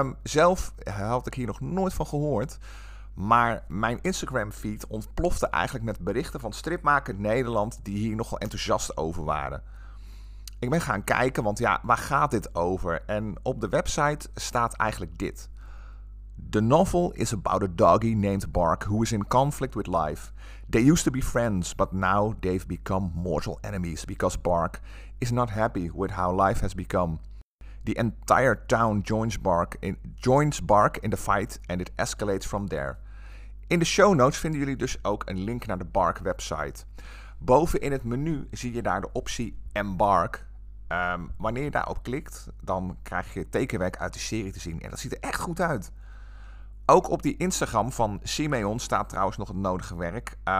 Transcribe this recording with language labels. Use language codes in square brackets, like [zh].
[nl] Zelf had ik hier nog nooit van gehoord, maar mijn Instagram feed ontplofte eigenlijk met berichten van stripmaker Nederland die hier nogal enthousiast over waren. Ik ben gaan kijken, want ja, waar gaat dit over? En op de website staat eigenlijk dit. [en] The novel is about a doggy named Bark who is in conflict with life. They used to be friends, but now they've become mortal enemies because Bark is not happy with how life has become. The entire town joins Bark in the fight and it escalates from there. [nl] In de show notes vinden jullie dus ook een link naar de Bark website. Boven in het menu zie je daar de optie Embark. Wanneer je daarop klikt, dan krijg je tekenwerk uit de serie te zien en dat ziet er echt goed uit. Ook op die Instagram van Simeon staat trouwens nog het nodige werk.